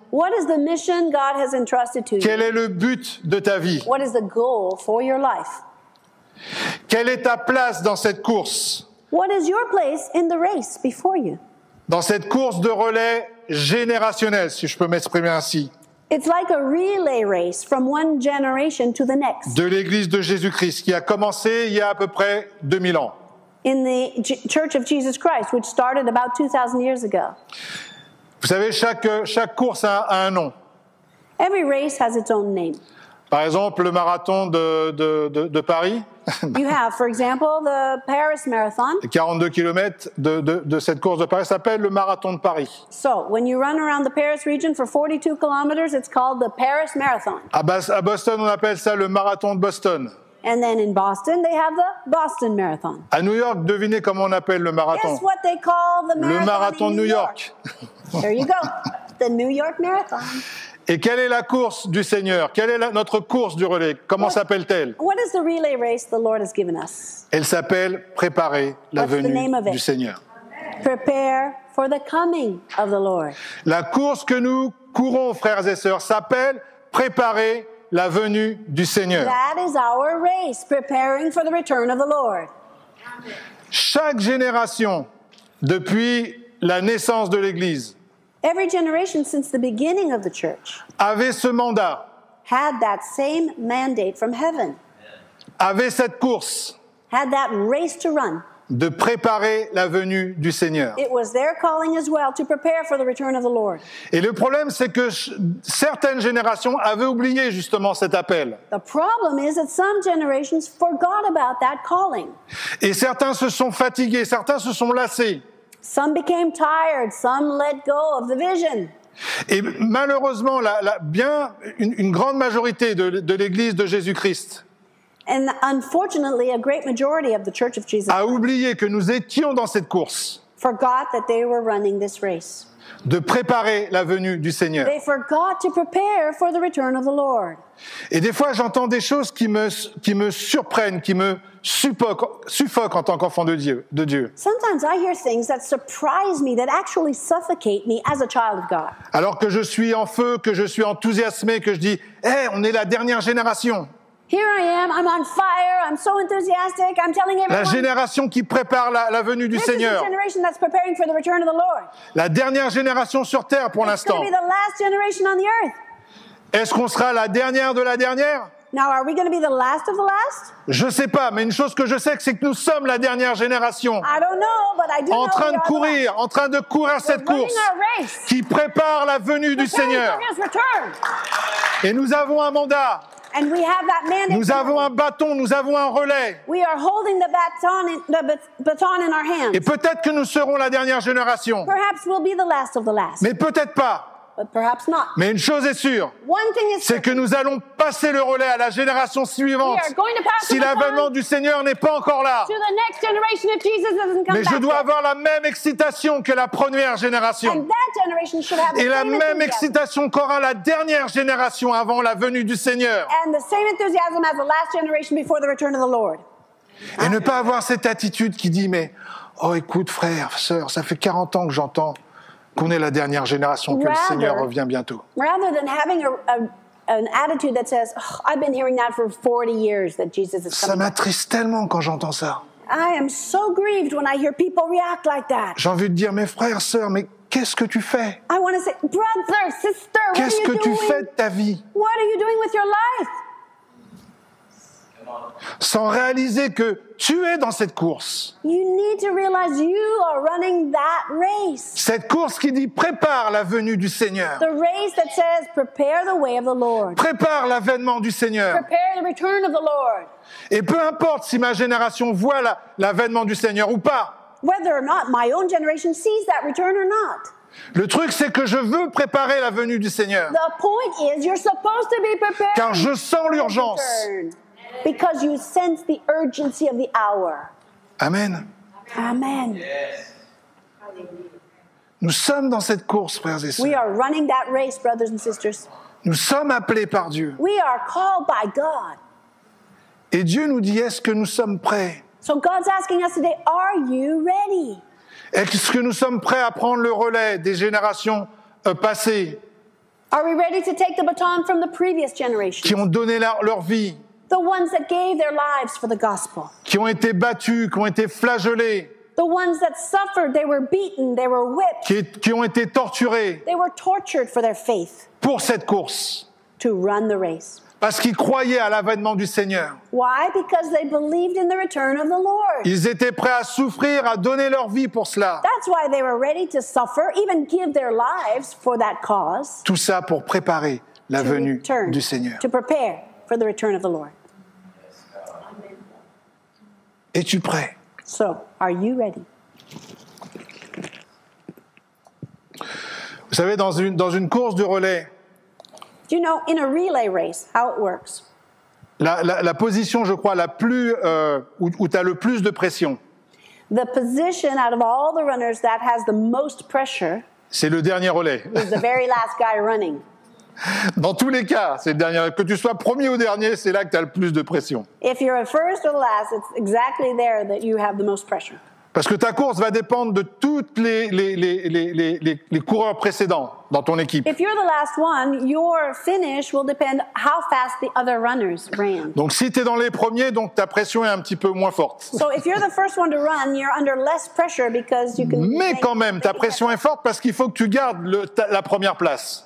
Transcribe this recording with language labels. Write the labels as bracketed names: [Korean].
[English] What is the mission God has entrusted to you? [French] Quel est le but de ta vie? [English] What is the goal for your life? [French] Quelle est ta place dans cette course? [English] What is your place in the race before you? [French] Dans cette course de relais générationnelle, si je peux m'exprimer ainsi. [English] It's like a relay race from one generation to the next. [French] De l'Église de Jésus-Christ qui a commencé il y a à peu près 2000 ans. [English] In the Church of Jesus Christ, which started about 2,000 years ago. [French] Vous savez, chaque course a un nom. [English] Every race has its own name. [French] Par exemple, le marathon de Paris. [English] You have, for example, the Paris Marathon. [French] 42 kilomètres de cette course de Paris s'appelle le Marathon de Paris. [English] So, when you run around the Paris region for 42 kilometers, it's called the Paris Marathon. [French] À Boston, on appelle ça le Marathon de Boston. [English] And then in Boston, they have the Boston Marathon. [French] À New York, devinez comment on appelle le marathon. [English] Guess what they call the marathon, [French] le marathon [English] in New York. There you go, the New York Marathon. [French] Et quelle est la course du Seigneur? Quelle est notre course du relais? Comment s'appelle-t-elle? [English] What is the relay race the Lord has given us? [French] Elle s'appelle Préparer la venue du Seigneur. [English] Prepare for the coming of the Lord. [French] La course que nous courons, frères et sœurs, s'appelle Préparer la venue du Seigneur. [English] That is our race, preparing for the return of the Lord. [French] Chaque génération depuis la naissance de l'Église. [English] Every generation since the beginning of the church [French] avait ce mandat, [English] had that same mandate from heaven, [French] avait cette course, [English] had that race to run, [French] de préparer la venue du Seigneur. [English] It was their calling as well to prepare for the return of the Lord. [French] Et le problème, c'est que certaines générations avaient oublié justement cet appel. [English] The problem is that some generations forgot about that calling. [French] Et certains se sont fatigués, certains se sont lassés. [English] Some became tired, some let go of the vision. [French] Et malheureusement, une grande majorité de l'Église de Jésus-Christ a oublié que nous étions dans cette course. [English] Forgot that they were running this race. [French] De préparer la venue du Seigneur. [English] They forgot to prepare for the return of the Lord. [French] Et des fois, j'entends des choses qui me surprennent, qui me suffoquent en tant qu'enfant de Dieu. [English] Sometimes I hear things that surprise me, that actually suffocate me as a child of God. [French] Alors que je suis en feu, que je suis enthousiasmé, que je dis, on est la dernière génération. [English] Here I am, I'm on fire, I'm so enthusiastic, I'm telling everyone. [French] La génération qui prépare la venue du Seigneur. [English] This is the generation that's preparing for the return of the Lord. [French] La dernière génération sur terre pour l'instant. [English] It's going to be the last generation on the earth. [French] Est-ce qu'on sera la dernière de la dernière? [English] Now, are we going to be the last of the last? [French] Je sais pas, mais une chose que je sais, c'est que nous sommes la dernière génération. [English] I don't know, but I do know. [French] En train de courir, en train de courir cette course. [English] We're running our race. [French] Qui prépare la venue du Seigneur. [English] We're preparing for His return. [French] Et nous avons un mandat. [English] And we have that mandate. [French] Nous avons un bâton, nous avons un relais. [English] We are holding the baton in our hands. [French] Et peut-être que nous serons la dernière génération. [English] Perhaps we'll be the last of the last. [French] Mais peut-être pas. [English] But perhaps not. [French] Mais une chose est sûre. [English] One thing is certain. [French] C'est que nous allons passer le relais à la génération suivante. [English] We are going to pass [French] si l'avènement du Seigneur n'est pas encore là. [English] To the next generation if Jesus doesn't come. [French] Mais je dois avoir la même excitation que la première génération. [English] And that generation should have the [French] Et la même excitation qu'aura la dernière génération avant la venue du Seigneur. [English] And the same enthusiasm as the last generation before the return of the Lord. [French] Et ne pas avoir cette attitude qui dit, mais oh écoute frère, sœur, ça fait 40 ans que j'entends qu'on est la dernière génération, que [English] rather, [French] le Seigneur revient bientôt. [English] Rather than having an attitude that says, oh, I've been hearing that for 40 years that Jesus is coming. [French] Ça m'attriste tellement quand j'entends ça. [English] I am so grieved when I hear people react like that. [French] J'ai envie de dire, mes frères, sœurs, mais qu'est-ce que tu fais? [English] I want to say, brother, sister, [French] qu'est-ce que tu fais de ta vie? [English] What are you doing with your life? [French] Sans réaliser que tu es dans cette course. [English] You need to realize you are running that race. [French] Cette course qui dit prépare la venue du Seigneur. [English] The race that says prepare the way of the Lord. [French] Prépare l'avènement du Seigneur. [English] Prepare the return of the Lord. [French] Et peu importe si ma génération voit l'avènement du Seigneur ou pas. [English] Whether or not my own generation sees that return or not. [French] Le truc, c'est que je veux préparer la venue du Seigneur. [English] The point is, you're supposed to be prepared. [French] Car je sens l'urgence. [English] Because you sense the urgency of the hour. [French] Amen. [English] Amen. Yes. [French] Nous sommes dans cette course, frères et sœurs. [English] We are running that race, brothers and sisters. [French] Nous sommes appelés par Dieu. [English] We are called by God. [French] Et Dieu nous dit, est-ce que nous sommes prêts? [English] So God's asking us today, are you ready? [French] Est-ce que nous sommes prêts à prendre le relais des générations passées? [English] Are we ready to take the baton from the previous generations? [French] Qui ont donné leur vie. [English] The ones that gave their lives for the gospel. [French] Qui ont été battus, qui ont été flagellés. [English] The ones that suffered, they were beaten, they were whipped. [French] Qui ont été torturés. [English] They were tortured for their faith. [French] Pour cette course. [English] To run the race. [French] Parce qu'ils croyaient à l'avènement du Seigneur. [English] Why? Because they believed in the return of the Lord. [French] Ils étaient prêts à souffrir, à donner leur vie pour cela. [English] That's why they were ready to suffer, even give their lives for that cause. [French] Tout ça pour préparer la venue du Seigneur. [English] To prepare for the return of the Lord. [French] Es-tu prêt? [English] So, are you ready? [French] Vous savez, dans une course de relais, [English] do you know in a relay race how it works? [French] La position, je crois, la plus où tu as le plus de pression. [English] The position out of all the runners that has the most pressure. [French] C'est le dernier relais. [English] Is the very last guy running. [French] Dans tous les cas, c'est le dernier. Que tu sois premier ou dernier, c'est là que tu as le plus de pression. [English] If you're a first or last, it's exactly there that you have the most pressure. [French] Parce que ta course va dépendre de toutes les coureurs précédents dans ton équipe. [English] If you're the last one, your finish will depend how fast the other runners ran. [French] Donc si tu es dans les premiers, donc ta pression est un petit peu moins forte. [English] So if you're the first one to run, you're under less pressure because you can. [French] Mais quand même, ta pression est forte parce qu'il faut que tu gardes la première place.